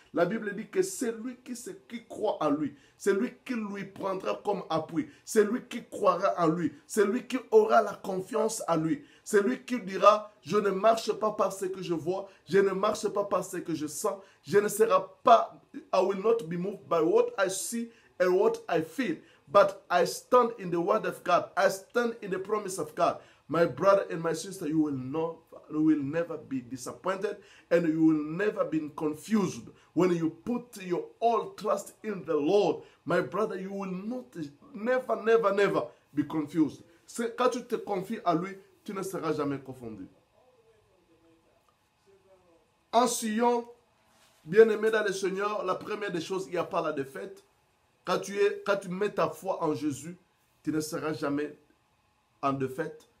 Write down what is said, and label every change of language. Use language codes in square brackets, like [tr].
[fr] La Bible dit que c'est lui qui croit en lui, c'est lui qui lui prendra comme appui, c'est lui qui croira en lui, c'est lui qui aura la confiance en lui, c'est lui qui dira, je ne marche pas par ce que je vois, je ne marche pas par ce que je sens, je ne serai pas, [en] I will not be moved by what I see and what I feel, but I stand in the word of God, [fr] I stand in the promise of God. [en] My brother and my sister, you will never be disappointed and you will never be confused when you put your all trust in the Lord. My brother, you will not, never be confused. [fr] C'est quand tu te confies à lui, tu ne seras jamais confondu. En Sion, bien-aimé dans le Seigneur, la première des choses, il n'y a pas la défaite. Quand tu mets ta foi en Jésus, tu ne seras jamais en défaite.